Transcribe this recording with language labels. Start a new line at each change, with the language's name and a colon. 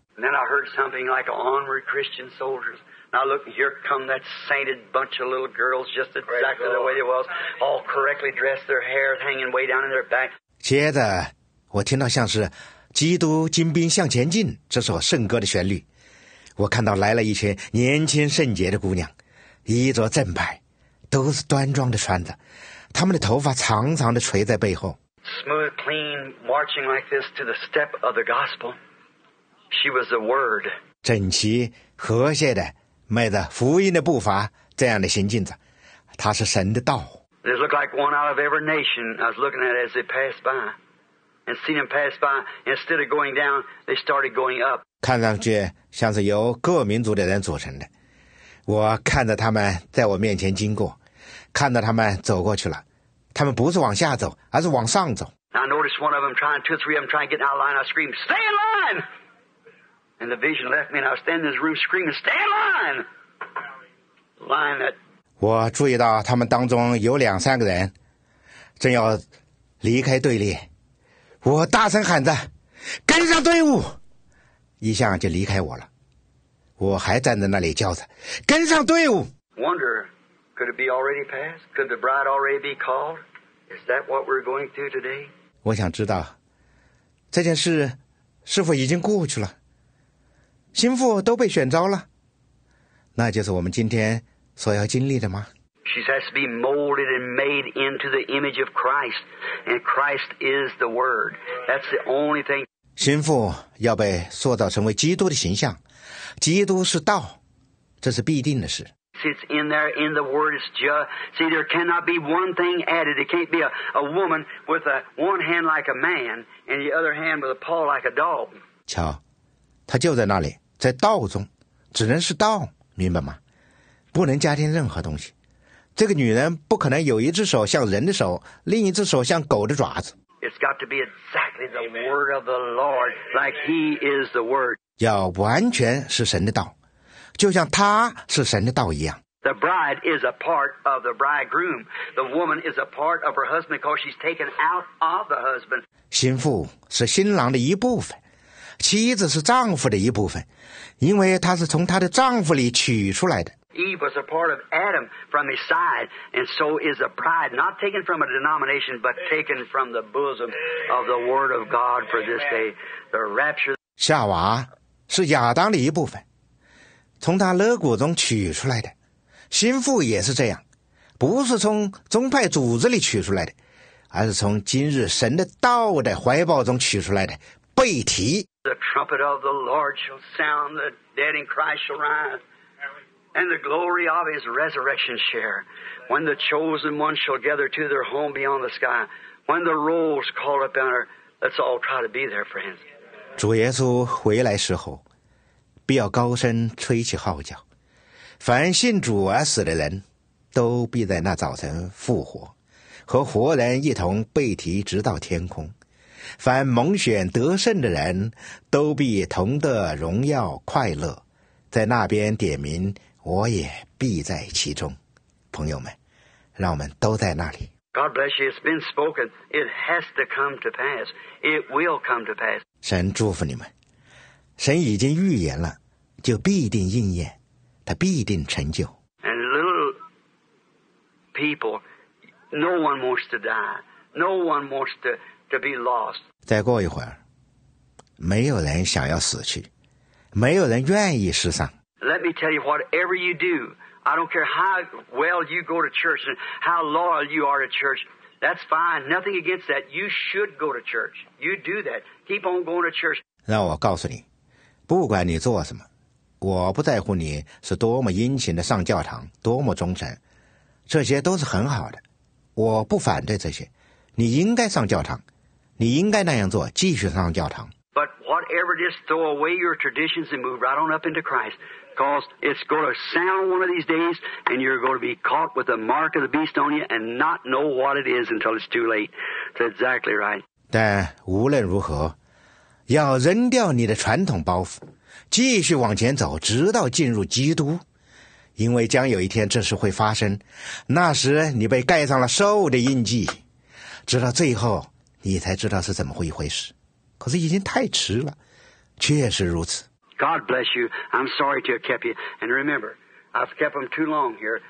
English: And then I heard something like "Onward, Christian soldiers!" And I look, here come that sainted bunch of little girls, just exactly the way they was, all correctly dressed, their hair hanging way down in their back.
Chinese: 接着，我听到像是《基督精兵向前进》这首圣歌的旋律。我看到来了一群年轻圣洁的姑娘，衣着正派，都是端庄的穿着，她们的头发长长的垂在背后。
English: Smooth, clean, marching like this to the step of the gospel. She was the word.
Chinese: 整齐和谐的迈着福音的步伐，这样的行进着，她是神的道。
English: It looked like one out of every nation I was looking at as they passed by, and seeing them pass by. Instead of going down, they started going up.
Chinese: 看上去像是由各民族的人组成的。我看着他们在我面前经过，看着他们走过去了，他们不是往下走，而是往上走。
English: I noticed one of them trying, two, three of them trying to get out of line. I screamed, "Stay in line!" And the vision left me, and I was standing in this room screaming, "Stay in line! Line that!"
Chinese: 我注意到他们当中有两三个人正要离开队列，我大声喊着，跟上队伍。一下就离开我了，我还站在那里叫着，跟上队伍。
English: Wonder, could it be already passed? Could the bride already be called? Is that what we're going through today?
Chinese: 我想知道，这件事是否已经过去了？心腹都被选召了，那就是我们今天所要经历的吗？
English: She has to be molded and made into the image of Christ, and Christ is the Word. That's the only thing.
Chinese: 心腹要被塑造成为基督的形象，基督是道，这是必定的事。
English: It's in there, in the word, it's just. See, there cannot be one thing added. It can't be a woman with a one hand like a man and the other hand with a paw like a dog.
Chinese: 瞧，他就在那里，在道中，只能是道，明白吗？不能加添任何东西。这个女人不可能有一只手像人的手，另一只手像狗的爪子。
English: It's got to be exactly the word of the Lord, like He is the word.
Chinese: 要完全是神的道，就像他是神的道一样。
English: The bride is a part of the bridegroom. The woman is a part of her husband because she's taken out of the husband.
Chinese: 新妇是新郎的一部分，妻子是丈夫的一部分，因为她是从她的丈夫里取出来的。
English: Eve was a part of Adam from his side, and so is the bride, not taken from a denomination, but taken from the bosom of the Word of God for this day, the rapture.
Chinese: 夏娃是亚当的一部分，从他肋骨中取出来的。心腹也是这样，不是从宗派组织里取出来的，而是从今日神的道的怀抱中取出来的。背提。
English: The trumpet of the Lord shall sound, the dead in Christ shall rise. And the glory of his resurrection share, when the chosen ones shall gather to their home beyond the sky, when the rolls call upon her, let's all try to be there, friends.
Chinese: 主耶稣回来时候，必要高声吹起号角，凡信主而死的人，都必在那早晨复活，和活人一同被提直到天空。凡蒙选得胜的人，都必同得荣耀快乐，在那边点名。我也必在其中，朋友们，让我们都在那里。
English: God bless you. It's been spoken. It has to come to pass. It will come to pass.
Chinese: 神祝福你们，神已经预言了，就必定应验，他必定成就。
English: And little people, no one wants to die. No one wants to be lost.
Chinese: 再过一会儿，没有人想要死去，没有人愿意失丧。
English: Let me tell you, whatever you do, I don't care how well you go to church and how loyal you are to church, that's fine. Nothing against that. You should go to church. You do that. Keep on going to church.
Chinese: 让我告诉你，不管你做什么，我不在乎你是多么殷勤的上教堂，多么忠诚，这些都是很好的。我不反对这些。你应该上教堂，你应该那样做，继续上教堂。
English: But whatever, just throw away your traditions and move right on up into Christ. Because it's going to sound one of these days, and you're going to be caught with the mark of the beast on you and not know what it is until it's too late. That's exactly right.
Chinese: 但无论如何，要扔掉你的传统包袱，继续往前走，直到进入基督。因为将有一天这事会发生，那时你被盖上了兽的印记，直到最后你才知道是怎么一回事。可是已经太迟了，确实如此。
English: God bless you. I'm sorry to have kept you. And remember, I've kept them too long here.